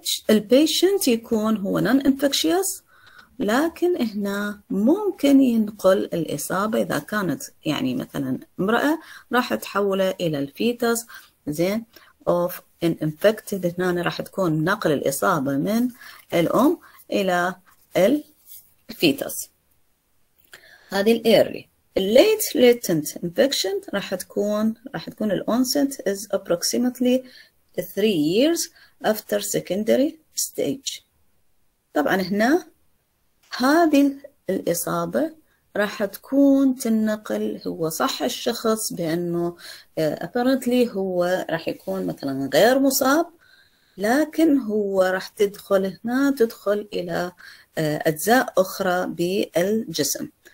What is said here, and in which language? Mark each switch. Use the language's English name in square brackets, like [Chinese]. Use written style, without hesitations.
[Arabic] البيشنت يكون هو نون انفكشيوس، لكن هنا ممكن ينقل الإصابة إذا كانت يعني مثلا امرأة راح تحوله إلى الفيتس. زين اوف ان انفكتد هنا راح تكون نقل الإصابة من الأم إلى الفيتس. هذه الايرلي. [English] Late latent infection [Arabic] راح تكون الـ [English] onset is approximately 3 years after secondary stage. [Arabic] طبعا هنا هذه الإصابة راح تكون تنقل، هو صح الشخص بأنه apparently هو راح يكون مثلا غير مصاب، لكن هو راح تدخل هنا تدخل إلى أجزاء أخرى بالجسم.